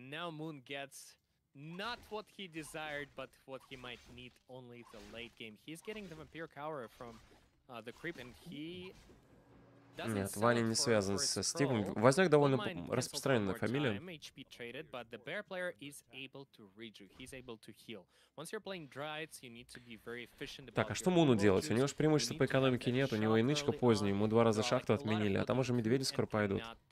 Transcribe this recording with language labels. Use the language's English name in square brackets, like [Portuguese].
[English] Now Moon gets not what he desired, but what he might need only the late game. He's getting the Vampire Cower from the creep, and he doesn't sell it for his scroll. [Russian] Возняк довольно распространенная фамилия. [English] HP traded, but the bear player is able to read you. He's able to heal. Once you're playing Dryads, you need to be very efficient. [Russian] Так, а что Муну делать? У него же преимущества по экономике нет, у него инычка поздняя, ему два раза шахту отменили, а там уже медведи скоро пойдут.